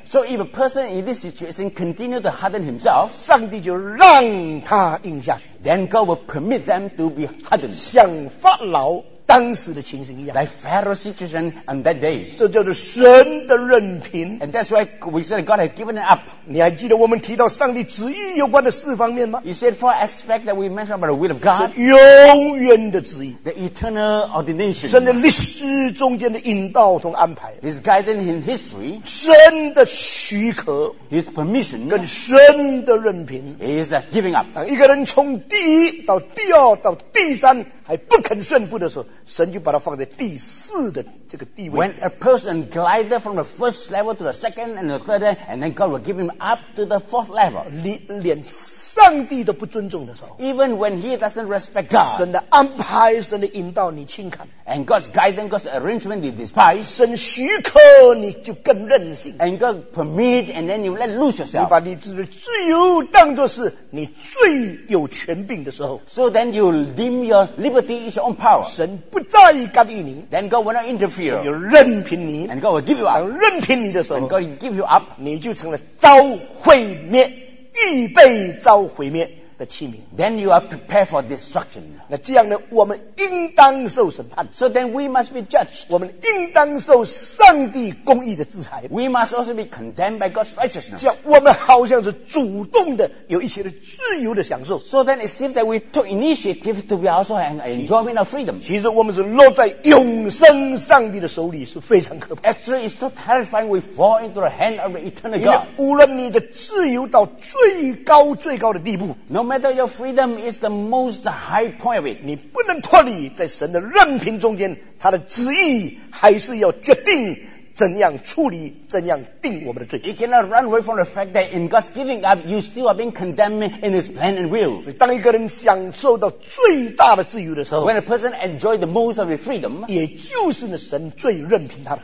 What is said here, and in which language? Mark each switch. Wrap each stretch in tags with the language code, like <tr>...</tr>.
<en>，So if a person in this situation continue to harden himself，</en> <zh>上帝就让他硬下去</zh> <en>，Then God will permit them to be hardened，</en> <zh>像法老当时的情形一样</zh> <en>，Like Pharaoh's situation on that day，</en> <zh>这叫做神的任凭</zh> <en>，And that's why we said God had given it up。</en> <zh>你还记得我们提到上帝旨意有关的四方面吗</zh> <en>？You said for aspect that we mentioned about the will of God，</en> <zh>永远的旨意</zh> <en>，the eternal ordination，</en> <zh>神的历史中间的引导和安排</zh> <en>，His guidance in history，</en> <zh>神的许可</zh> <en>，His permission，</en> <zh>跟神的任凭</zh> <en>，is giving up。</en> <zh>当一个人从第一到第二到第三还不肯顺服的时候，神就把他放在第四的这个地位。</zh> <en>When a person glided from the first level to the second and the third, and then God will give him up to the fourth level，</en> <zh>连上帝都不尊重的时候</zh> <en>，Even when he doesn't respect God，</en> <zh>神的安排、神的引导你轻看</zh> <en>，And God's guidance、God's arrangement you despise，</en> <zh>神许可你就更任性</zh> <en>，And God permit and then you let loose yourself，</en> <zh>你把你自己的自由当作是你最有权柄的时候</zh> <en>，So then you deem your liberty is your own power，</en> <zh>神不在意干预你</zh> <en>，Then God will not interfere，</en> <zh>神就任凭你</zh> <en>，And God will give you up，</en> <zh>当任凭你的时候</zh> <en>，And God will give you up，</en> <zh>你就成了遭毁灭。预备遭毁灭的器皿</zh> <en>Then you are prepared for destruction</en> <zh>那这样呢我们应当受审判</zh> <en>So then we must be judged</en> <zh>我们应当受上帝公义的制裁</zh> <en>We must also be condemned by God's righteousness</en> <zh>这样我们好像是主动的有一些的自由的享受</zh> <en>So then it seems that we took initiative to be also an enjoyment of freedom</en> <zh>其实我们是落在永生上帝的手里是非常可怕</zh> <en>Actually it's so terrifying we fall into the hand of the eternal God</en> <zh>无论你的自由到最高最高的地步</zh> <en>No matter your freedom is the most high point of it.</en> <zh>你不能脱离在神的任凭中间，他的旨意还是要决定怎样处理，怎样定我们的罪。</zh> <en>You cannot run away from the fact that in God's giving up, you still are being condemned in His plan and will.</en> <zh>所以当一个人享受到最大的自由的时候</zh> <en>，When a person enjoys the most of his freedom，</en> <zh>也就是那神最任凭他的。</zh>